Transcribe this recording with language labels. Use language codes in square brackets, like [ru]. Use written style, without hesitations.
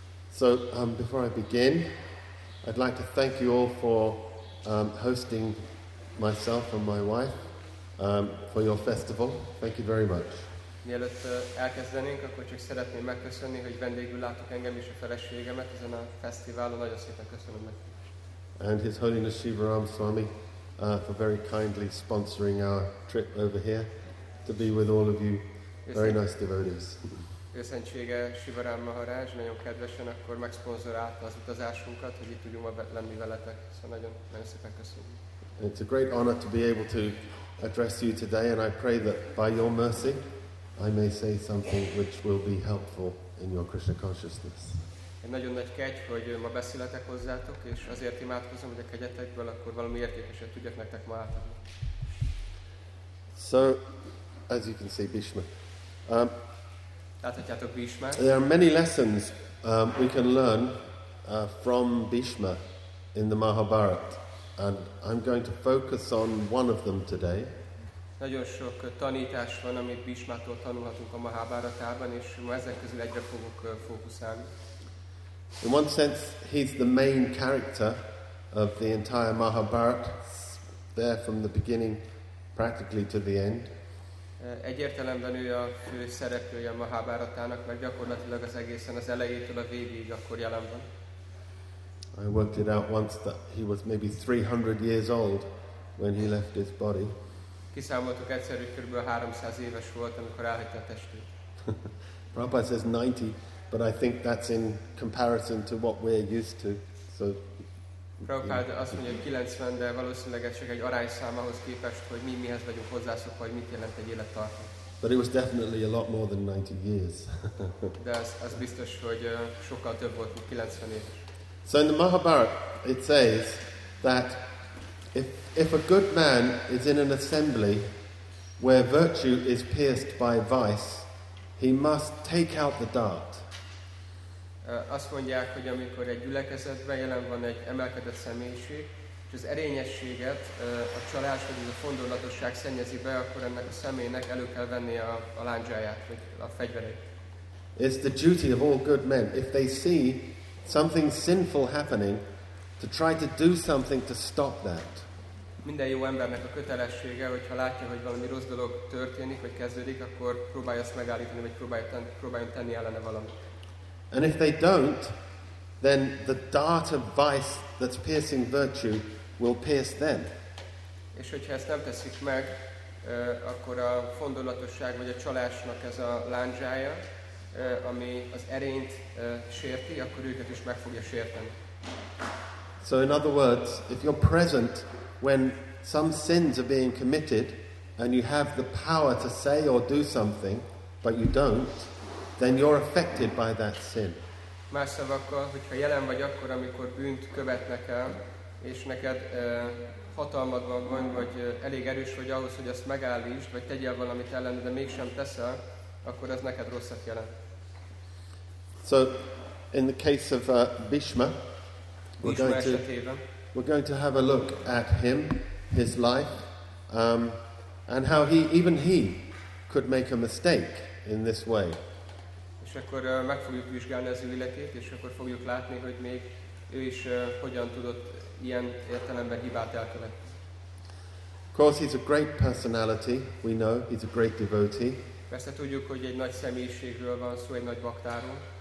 [en] So, before I begin, I'd like to thank you all for hosting myself and my wife for your festival. Thank you very much. [hu] Mielőtt elkezdenénk, akkor csak szeretném megköszönni, hogy vendégül láttuk engem és a feleségemet ezen a fesztiválon. Nagyon szépen köszönöm neki. [en] And His Holiness Shivaram Swami for very kindly sponsoring our trip over here to be with all of you. Very nice devotees. [hu] Őszentsége Shivaram Maharaj, nagyon kedvesen akkor megszponzorálta az utazásunkat, hogy itt tudjunk lenni veletek. Szóval nagyon, nagyon szépen köszönöm. [en] It's a great honor to be able to address you today, and I pray that by your mercy, I may say something which will be helpful in your Krishna consciousness. [hu] Egy nagyon nagy kegy, hogy ma beszéletek hozzátok, és azért imádkozom, hogy a kegyetekből akkor valami értékeset tudjak nektek ma átadni. [en] So, as you can see, Bhishma. [hu] Láthatjátok Bhishmát. [en] There are many lessons we can learn from Bhishma in the Mahabharata. And I'm going to focus on one of them today. [hu] Nagyon sok tanítás van, amit Bhishmától tanulhatunk a Mahabharatában, és ma ezek közül egyre fogok fókuszálni. [en] In one sense, he's the main character of the entire Mahabharata, there from the beginning, practically to the end. [hu] Egyértelműen ő a fő szereplője a Mahabharatának, mert gyakorlatilag az egészen az elejétől a végéig akkor jelen van. [en] I worked it out once that he was maybe 300 years old when he left his body. [hu] Kiszámoltuk egyszer, hogy kb. 300 éves volt, amikor elhagyta a testét. [en] Prabhupada says 90, but I think that's in comparison to what we're used to. So, [hu] Prabhupada azt mondja, hogy 90, de valószínűleg ez csak egy arányszám ahhoz képest, hogy mi mihez vagyunk hozzászokva, hogy mit jelent egy élettartam. [en] But it was definitely a lot more than 90 years. [hu] De az biztos, hogy sokkal több volt, mint 90 éves. [en] So in the Mahabharata, it says that if a good man is in an assembly where virtue is pierced by vice, he must take out the dart. [hu] Azt mondják, hogy amikor egy gyülekezetben jelen van egy emelkedett személyiség, és az erényességet, a csalás vagy a fondorlatosság szennyezi be, akkor ennek a személynek elő kell venni a lándzsáját, vagy a fegyverét. [en] It's the duty of all good men. If they see something sinful happening, to try to do something to stop that. [hu] Minden jó embernek a kötelessége, hogyha látja, hogy valami rossz dolog történik, vagy kezdődik, akkor próbálja azt megállítani, vagy próbálja tenni ellene valamit. [en] And if they don't, then the dart of vice that's piercing virtue will pierce them. [hu] És hogyha ezt nem teszik meg, akkor a fondorlatosság, vagy a csalásnak ez a lándzsája, ami az erényt sérti, akkor őket is meg fogja sérteni. [en] So in other words, if you're present when some sins are being committed and you have the power to say or do something, but you don't, then you're affected by that sin. [hu] Más szavakkal, hogyha jelen vagy akkor, amikor bűnt követnek el, és neked hatalmad van, vagy elég erős vagy ahhoz, hogy azt megállítsd, vagy tegyél valamit ellene, de mégsem teszel, akkor ez neked rosszat jelent. [en] So, in the case of Bhishma, we're going to have a look at him, his life, and how even he could make a mistake in this way. [hu] És akkor meg fogjuk vizsgálni az életét, és akkor fogjuk látni, hogy még ő is hogyan tudott ilyen értelemben hibát elkövetni. [en] Of course, he's a great personality. We know he's a great devotee. [hu] Persze tudjuk, hogy egy nagy személyiségről van szó, egy nagy baktáról.